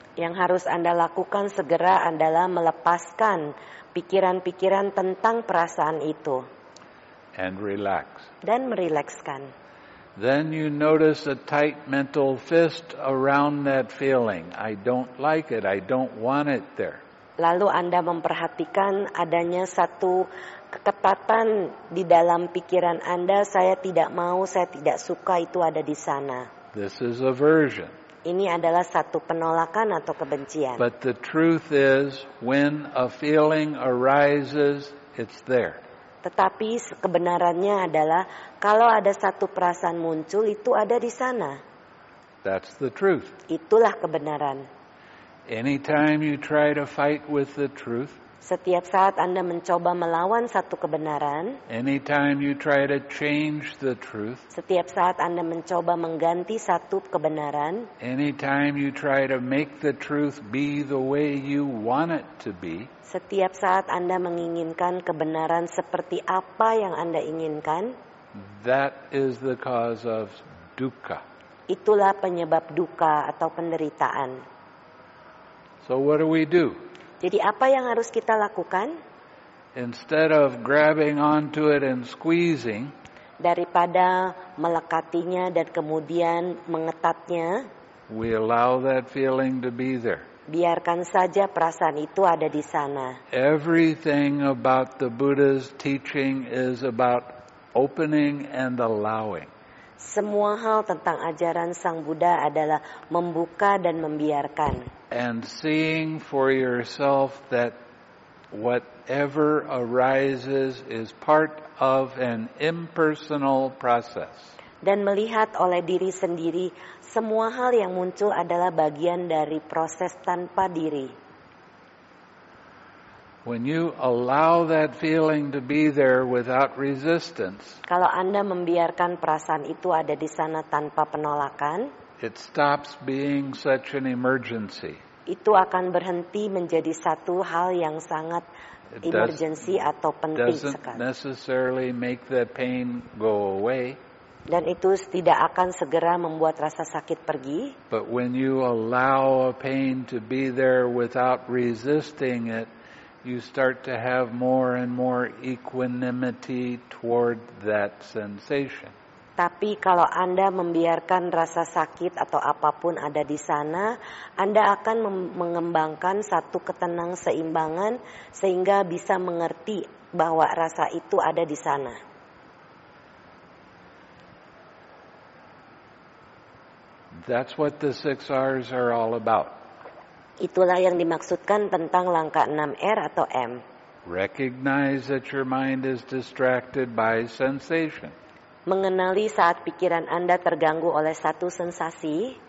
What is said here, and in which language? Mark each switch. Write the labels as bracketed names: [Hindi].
[Indonesian] Yang harus Anda lakukan segera adalah melepaskan pikiran-pikiran tentang perasaan itu. [English] And relax. [Indonesian] Dan merilekskan. [English] Then you notice a tight mental fist around that feeling. I don't like it. I don't want it there. [Indonesian] Lalu Anda memperhatikan adanya satu keketatan di dalam pikiran Anda. Saya tidak mau, saya tidak suka itu ada di sana. [English] This is aversion. [Indonesian] Ini adalah satu penolakan atau kebencian. [English] But the truth is, when a feeling arises, it's there. [Indonesian] Tetapi kebenarannya adalah, kalau ada satu perasaan muncul, itu ada di sana. [English] That's the truth. [Indonesian] Itulah kebenaran. [English] Anytime you try to fight with the truth. [Indonesian] Setiap saat Anda mencoba melawan satu kebenaran, [English] anytime you try to change the truth, [Indonesian] setiap saat Anda mencoba mengganti satu kebenaran, [English] anytime you try to make the truth be the way you want it to be, [Indonesian] setiap saat Anda menginginkan kebenaran seperti apa yang Anda inginkan, [English] that is the cause of dukkha. [Indonesian] Itulah penyebab duka atau penderitaan. [English] So what do we do? [Indonesian] Jadi apa yang harus kita lakukan? [English] Instead of grabbing onto it and squeezing, [Indonesian] daripada melekatinya dan kemudian mengetatnya, [English] we allow that feeling to be there. [Indonesian] Biarkan saja perasaan itu ada di sana. [English] Everything about the Buddha's teaching is about opening and allowing. [Indonesian] Semua hal tentang ajaran Sang Buddha adalah membuka dan membiarkan. [English] And seeing for yourself that whatever arises is part of an impersonal process. [Indonesian] Dan melihat oleh diri sendiri semua hal yang muncul adalah bagian dari proses tanpa diri. [English] When you allow that feeling to be there without resistance, [Indonesian] kalau Anda membiarkan perasaan itu ada di sana tanpa penolakan, [English] it stops being such an emergency. [Indonesian] Itu akan berhenti menjadi satu hal yang sangat emergency atau penting sekali. [English] It doesn't necessarily make the pain go away. [Indonesian] Dan itu tidak akan segera membuat rasa sakit pergi. [English] But when you allow a pain to be there without resisting it, you start to have more and more equanimity toward that sensation. [Indonesian] Tapi kalau Anda membiarkan rasa sakit atau apapun ada di sana, Anda akan mengembangkan satu ketenang seimbangan sehingga bisa mengerti bahwa rasa itu ada di sana. [English] That's what the 6 R's are all about. [Indonesian] Itulah yang dimaksudkan tentang langkah 6 R atau M. [English] Recognize that your mind is distracted by sensation. [Indonesian] Mengenali saat pikiran Anda terganggu oleh satu sensasi.